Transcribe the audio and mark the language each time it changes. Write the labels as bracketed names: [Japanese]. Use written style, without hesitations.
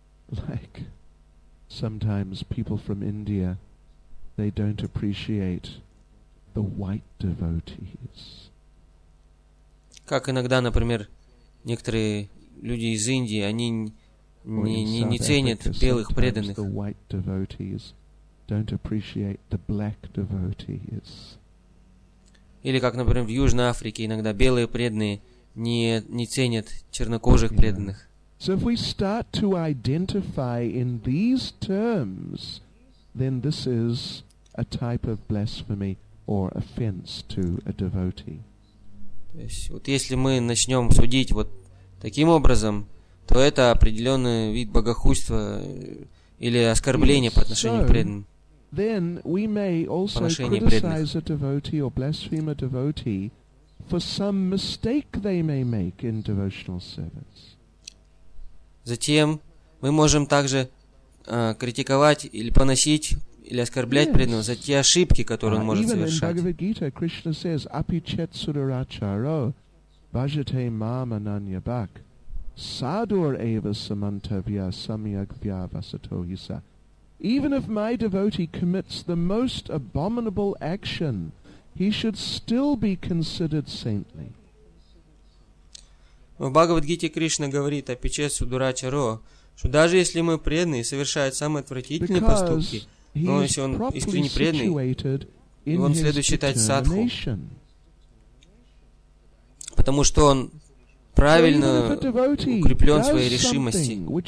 [English] Like sometimes people from India, they don't appreciate the white devotees. [Russian] Как иногда, например, некоторые люди из Индии, они не ценят белых преданных. [English] The white devotees don't appreciate the black devotees. [Russian] Или как, например, в Южной Африке иногда белые преданные не ценят чернокожих преданных. [English] So if we start to identify in these terms, then this is a type of blasphemy or offense to a devotee. [Russian] То есть, вот если мы начнем судить вот таким образом, то это определенный вид богохульства или оскорбления по отношению к преданным. [English] Then we may also criticize a devotee or blaspheme a devotee for some mistake they may make in devotional service. [Russian] Затем мы можем также критиковать или поносить или оскорблять преданного за те ошибки, которые он может совершать. [English] Even in Bhagavad Gita, Krishna says, [Sanskrit] "Apichet sudaracharo, bhajate mam ananyabak, sadur eva samantavya samyagvya vasatohisa." [English] Even if my devotee commits the most abominable action, he should still be considered saintly. [Russian] В Бхагавад-гите Кришна говорит о [Sanskrit] печесу дурачаро, [Russian] что даже если мой преданный совершает самые отвратительные поступки, но если он искренне преданный, И вам следует считать садху. Потому что он правильно укреплен в своей решимости.